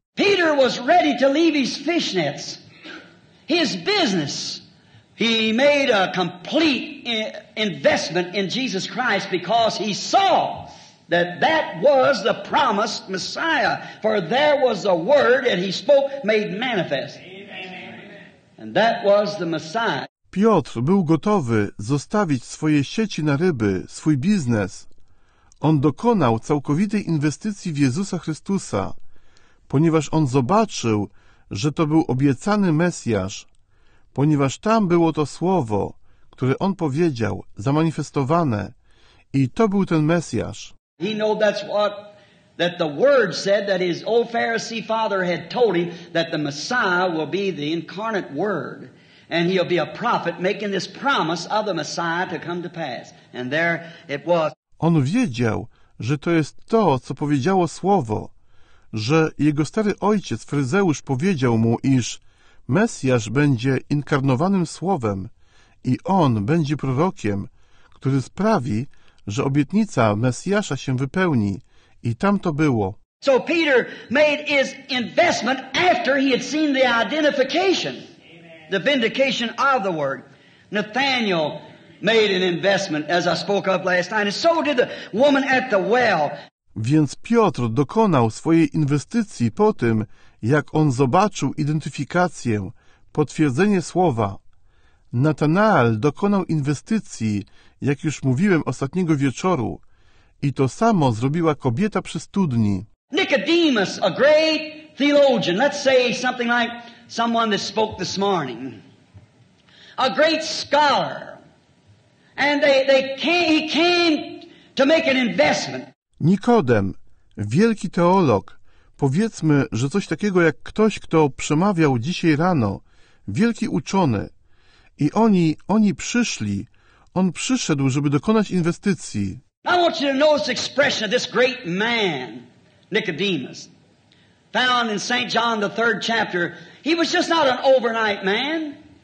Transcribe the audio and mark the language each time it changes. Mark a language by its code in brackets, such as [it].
[en] Peter was ready to leave his fishnets, his business. He made a complete investment in Jesus Christ because he saw that that was the promised Messiah. For there was a word that he spoke made manifest. And that was the Messiah. [pl] Piotr był gotowy zostawić swoje sieci na ryby, swój biznes. On dokonał całkowitej inwestycji w Jezusa Chrystusa, ponieważ on zobaczył, że to był obiecany Mesjasz, ponieważ tam było to słowo, które on powiedział, zamanifestowane, i to był ten Mesjasz. [en] He knew that's what that the word said, that his old Pharisee father had told him that the Messiah will be the incarnate word. And he'll be a prophet making this promise of the Messiah to come to pass. And there it was. [pl] On wiedział, że to jest to, co powiedziało słowo, że jego stary ojciec, fryzeusz, powiedział mu, iż Mesjasz będzie inkarnowanym słowem i on będzie prorokiem, który sprawi, że obietnica Mesjasza się wypełni. I tam to było. [en] So Peter made his investment after he had seen the identification. The vindication of the word. Nathaniel made an investment, as I spoke of last night, and so did the woman at the well. [pl] Więc Piotr dokonał swojej inwestycji po tym, jak on zobaczył identyfikację, potwierdzenie słowa. Natanael dokonał inwestycji, jak już mówiłem ostatniego wieczoru, i to samo zrobiła kobieta przy studni. [en] Nicodemus, a great theologian, let's say something like someone that spoke this morning, a great scholar, and he came to make an investment. [pl] Nikodem, wielki teolog, powiedzmy, że coś takiego jak ktoś, kto przemawiał dzisiaj rano, wielki uczony, i oni przyszli, on przyszedł, żeby dokonać inwestycji. [en] I want you to notice the expression of this great man, Nicodemus. Found in St. John, the third chapter, he was just not an overnight man.